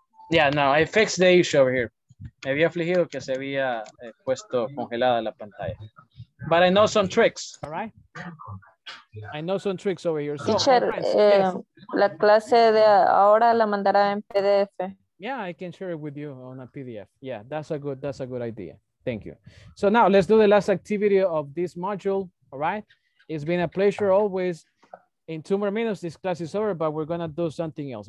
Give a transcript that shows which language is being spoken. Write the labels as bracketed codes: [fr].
[en] Yeah, no, I fixed the issue over here. [es] Me había afligido que se había puesto congelada la pantalla. [en] But I know some tricks, all right? I know some tricks over here. So, [es] teacher, la clase de ahora la mandará en PDF. [en] Yeah, I can share it with you on a PDF. Yeah, that's a good idea. Thank you. So now let's do the last activity of this module, all right? It's been a pleasure always. In 2 more minutes, this class is over, but we're going to do something else.